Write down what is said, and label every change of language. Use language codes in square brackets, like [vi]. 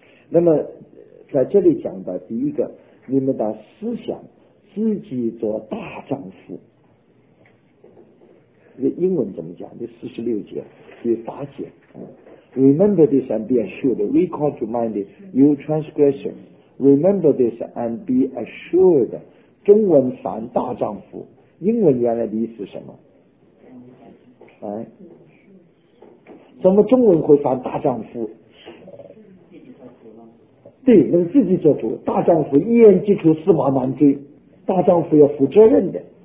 [zh] 那么在这里讲的第一个。你们的思想自己做大丈夫，这个英文怎么讲？这四十六节第八节、 [en] Remember this and be assured. Recall to mind your transgression. Remember this and be assured. [zh] 中文凡大丈夫，英文原来的意思是什么？哎，怎么中文会凡大丈夫？对，能自己做主，大丈夫一言既出驷马难追，大丈夫要负责任的。